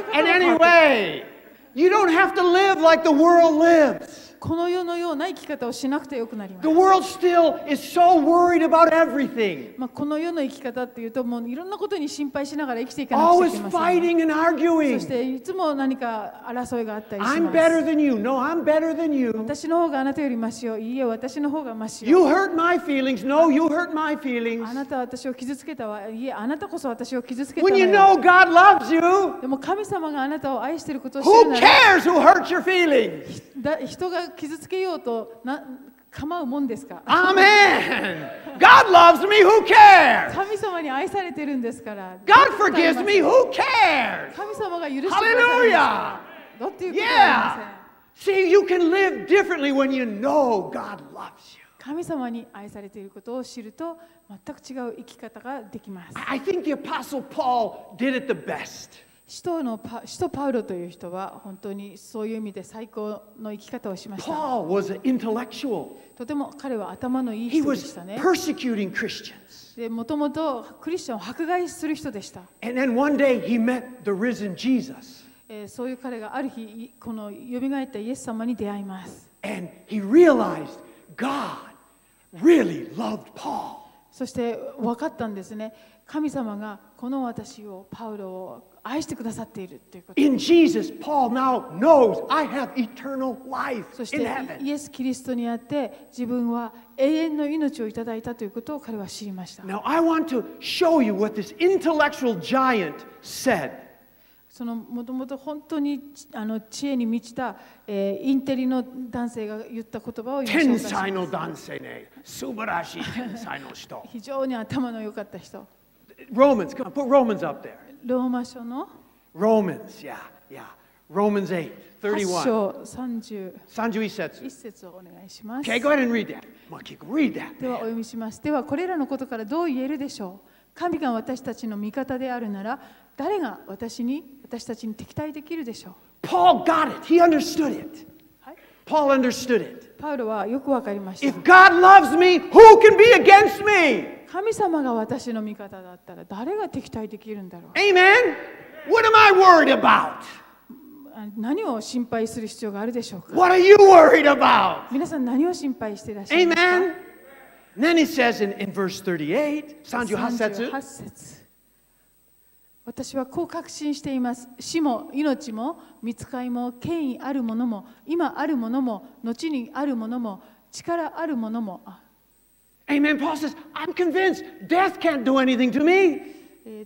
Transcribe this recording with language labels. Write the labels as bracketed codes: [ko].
[en] And anyway, you don't have to live like the world lives. [ja] この世のような生き方をしなくてよくなります。 [en] The world still is so worried about everything. [ja] まあこの世の生き方っていうと、もういろんなことに心配しながら生きていかなくちゃいけません。 [en] Always fighting and arguing. [ja] そしていつも何か争いがあったりします。 [en] I'm better than you. No, I'm better than you. [ja] 私の方があなたよりマシよ。いいえ、私の方がマシよ。 [en] You hurt my feelings. No, you hurt my feelings. [ja] あなたは私を傷つけたわ。いいえ、あなたこそ私を傷つけたわ。 [en] When you know God loves you. [ja] でも神様があなたを愛していることを知るなら。 [en] Who cares who hurts your feelings? [ja] 人が傷つけようと構うもんですか。 [en] アーメン。God loves me. Who cares? [ja] 神様に愛されてるんですから。 [en] God forgives me. Who cares? [ja] 神様が許してくれるんですか。どっていうことはありません。 [en] See, you can live differently when you know God loves you. [ja] 神様に愛されていることを知ると全く違う生き方ができます。 [en] I think the Apostle Paul did it the best. [ja] 使徒のパウロという人は本当にそういう意味で最高の生き方をしました。 [en] Paul was an intellectual. [ja] とても彼は頭のいい人でしたね。 [en] He was persecuting Christians. [ja] で、もともとクリスチャンを迫害する人でした。 [en] And then one day he met the risen Jesus. [ja] そういう彼がある日この蘇ったイエス様に出会います。 [en] And he realized God really loved Paul. [ja] そして分かったんですね。神様がこの私をパウロを愛してくださっているということ。 [en] In Jesus, Paul now knows I have eternal life in heaven. [ja] そしてイエス・キリストにあって自分は永遠の命をいただいたということを彼は知りました。 [en] Now I want to show you what this intellectual giant said. [ja] そのもともと本当に知恵に満ちた、インテリの男性が言った言葉を紹介します。天才の男性ね、素晴らしい天才の人。非常に頭の良かった人。 [en] Romans, come on, put Romans up there. [ja] ローマ書の [en] Romans, yeah, yeah. Romans 8, 31. [ja] 31節。 1節をお願いします。 [en] Okay, go ahead and read that. Come on, keep read that. [ja] ではお読みします。ではこれらのことからどう言えるでしょう。神が私たちの味方であるなら、誰が私たちに敵対できるでしょう。 [en] Paul got it. He understood it. Paul understood it. [ja] パウロはよくわかりました。 [en] If God loves me, who can be against me? [ja] 神様が私の味方だったら誰が敵対できるんだろう。 [en] Amen. What am I worried about? [ja] 何を心配する必要があるでしょうか。 [en] What are you worried about? [ja] 皆さん何を心配していらっしゃいますか。 [en] Amen. Then he says in verse 38, [ja] 38節。私はこう確信しています。死も命も御使いも権威あるものも今あるものも後にあるものも力あるものも。 [en] Amen. Paul says, I'm convinced death can't do anything to me.